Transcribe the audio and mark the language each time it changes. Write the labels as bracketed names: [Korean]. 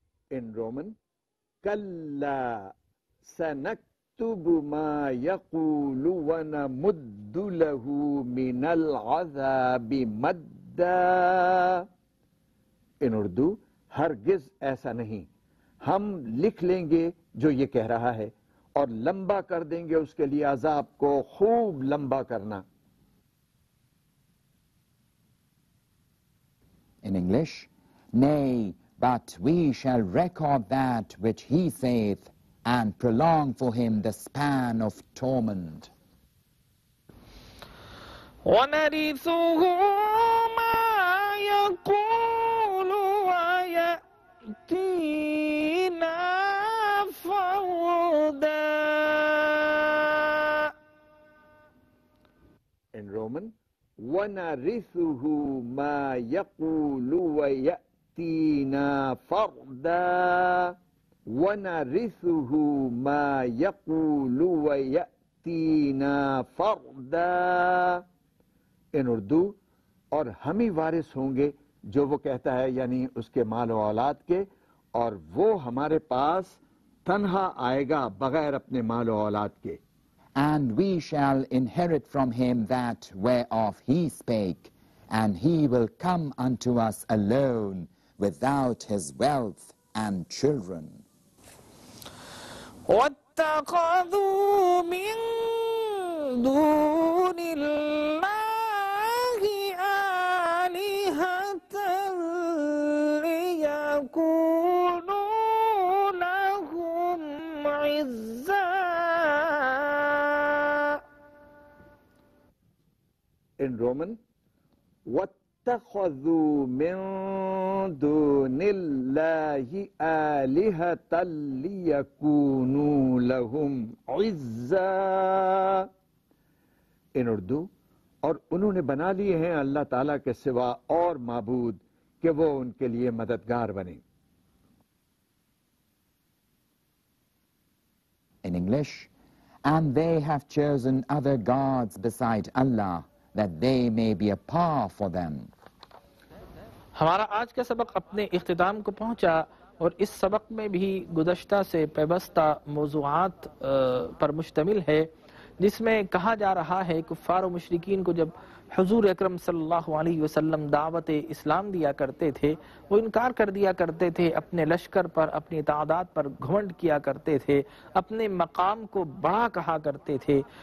[English] In Roman, [Arabic] كلا سنكتب ما يقول ونمد له من العذاب مدا. [English] In Urdu, [Urdu] ہرگز ایسا نہیں, ہم لکھ لیں گے جو یہ کہہ رہا ہے اور لمبا کر دیں گے اس کے لیے عذاب کو, خوب لمبا کرنا. [English] In English, nay, but we shall record that which he saith and prolong for him the span of torment. [Arabic] وَنَرِثُهُ مَا يَقُولُ وَيَأْتِينَا فَرْدًا. [English] In Roman, [Arabic] وَنَرِثُهُ مَا يَقُولُ وَيَأْتِينَا تینا فردا. ونرثه ما يقول ويأتينا فردا. [English] In Urdu, [Urdu] اور ہم ہی وارث ہوں گے جو وہ کہتا ہے, یعنی اس کے مال و اولاد کے, اور وہ ہمارے پاس تنہا آئے گا بغیر اپنے مال و اولاد کے. [English] And we shall inherit from him that whereof he spake, and he will come unto us alone without his wealth and children. [Arabic] وَاتَّخَذُوا مِن دُونِ اللَّهِ آلِهَةً لِيَكُونُوا لَهُمْ عِزَّا. [English] In Roman, [Arabic] وَاتَّخَذُوا مِن دون الله آلهة ليكونوا لهم عزا. [English] In Urdu, [Urdu] اور انہوں نے بنا لیے ہیں اللہ تعالیٰ کے سوا اور معبود کہ وہ ان کے لیے مددگار بنیں. [English] In English, and they have chosen other gods beside Allah that they may be a power for them. [Urdu] ہمارا آج کا سبق اپنے اختتام کو پہنچا, اور اس سبق میں بھی گزشتہ سے پیوستہ موضوعات پر مشتمل ہے, جس میں کہا جا رہا ہے کفار و مشرکین کو جب حضور اکرم صلی اللہ علیہ وسلم دعوت اسلام دیا کرتے تھے وہ انکار کر دیا کرتے تھے, اپنے لشکر پر, اپنی تعداد پر گھمنڈ کیا کرتے تھے, اپنے مقام کو بڑا کہا کرتے تھے.